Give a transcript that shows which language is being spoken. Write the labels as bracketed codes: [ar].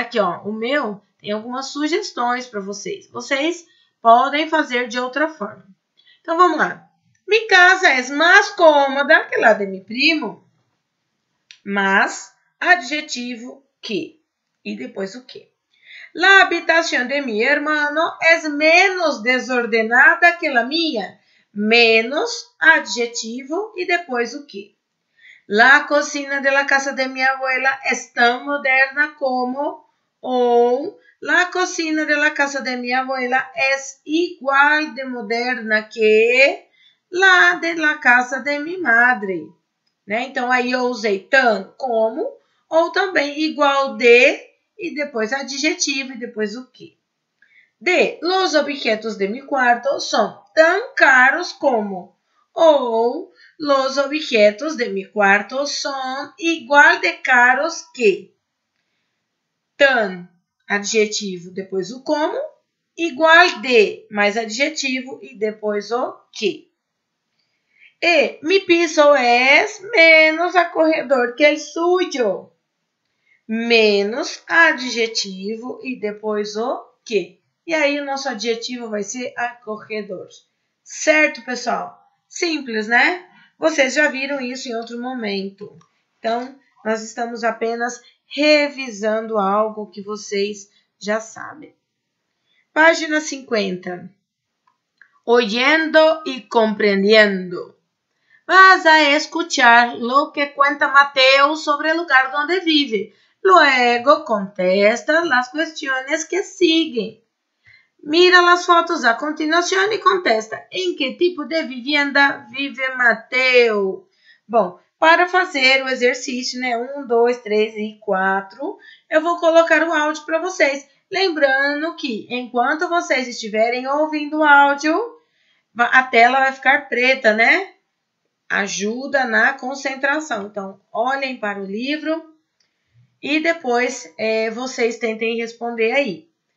[pt] Aqui, ó, o meu tem algumas sugestões para vocês. Vocês podem fazer de outra forma. Então, vamos lá. Mi casa é mais cômoda que lá de mi primo, mas adjetivo que e depois o que. [es] La habitación de mi hermano es menos desordenada que la mía, [pt] menos adjetivo e depois o que. [es] La cocina de la casa de mi abuela es tan moderna como ou la cocina de la casa de mi abuela es igual de moderna que la de la casa de mi madre. [pt] Né? Então, aí eu usei tan como ou também igual de e depois adjetivo e depois o que. [es] De, los objetos de mi cuarto son tan caros como ou los objetos de mi cuarto son igual de caros que. [pt] Tan, adjetivo, depois o como, igual de, mais adjetivo e depois o que. [es] E, mi piso es menos acorredor que el suyo. [pt] Menos adjetivo e depois o que. E aí o nosso adjetivo vai ser acolhedor. Certo, pessoal? Simples, né? Vocês já viram isso em outro momento. Então, nós estamos apenas revisando algo que vocês já sabem. Página 50. [es] Oyendo y comprendiendo. Vas a escuchar lo que cuenta Mateo sobre el lugar donde vive. Luego contestas las cuestiones que siguen. Mira las fotos a continuación y contesta. ¿En qué tipo de vivienda vive Mateo? [pt] Bom, para fazer o exercício, né? 1, 2, 3 e 4, eu vou colocar o áudio para vocês. Lembrando que enquanto vocês estiverem ouvindo o áudio, a tela vai ficar preta, né? Ajuda na concentração. Então, olhem para o livro e depois vocês tentem responder aí.